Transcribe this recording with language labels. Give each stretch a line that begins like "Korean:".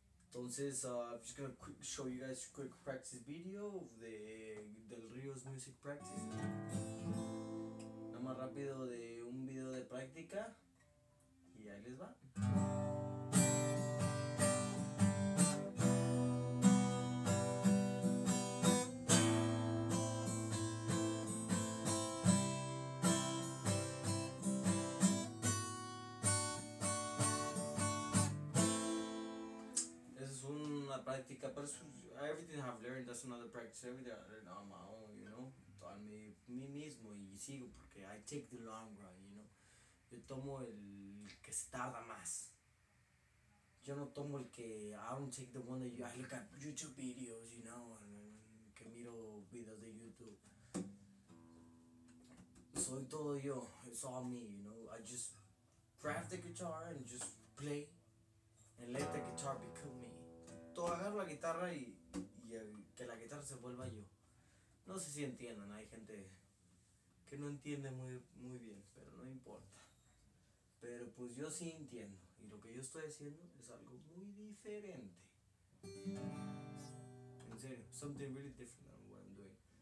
English: Entonces, I'm just gonna quick show you guys a quick practice video of the Del Rio's music practice.
Spanish: Nada más rápido de un video de práctica. Y ahí les va.
English: Practica, but everything I've learned, that's another practice. Everything I learned on my own, you know, on
Spanish: me mismo, y sigo porque
English: I take the long run, you know.
Spanish: Yo tomo el que se tarda más. Yo no tomo el que,
English: I don't take the one that I look at YouTube videos, you know,
Spanish: and que miro videos de YouTube. Soy todo yo,
English: it's all me, you know. I just craft the guitar and just play and let the guitar become me.
Spanish: Todo agarro la guitarra y que la guitarra se vuelva yo. No sé si entiendan, hay gente que no entiende muy bien, pero no importa. Pero pues yo sí entiendo, y lo que yo estoy haciendo es algo muy diferente. En serio,
English: something really different than what I'm doing.